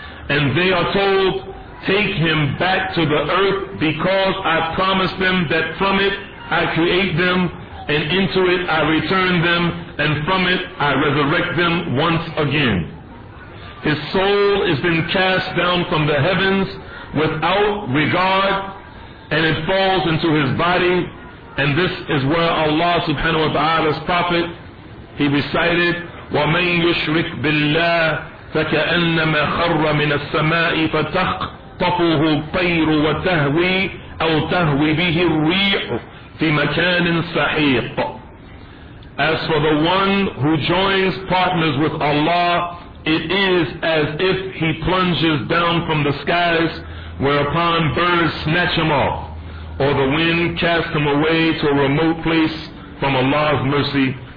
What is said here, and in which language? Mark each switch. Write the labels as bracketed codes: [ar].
[en] And they are told, take him back to the earth, because I promised them that from it I create them, and into it I return them, and from it I resurrect them once again. His soul is then cast down from the heavens without regard, and it falls into his body. And this is where Allah subhanahu wa ta'ala's prophet, he recited, [ar] وَمَنْ يُشْرِكْ بِاللَّهِ فَكَأَنَّمَا خَرَّ مِنَ السَّمَاءِ فَتَخْطَفُهُ الطَّيْرُ وَتَهْوِي أَوْ تَهْوِي بِهِ الرِّيحُ فِي مَكَانٍ سَحِيقٍ. [en] As for the one who joins partners with Allah, it is as if he plunges down from the skies, whereupon birds snatch him off, or the wind casts him away to a remote place from Allah's mercy.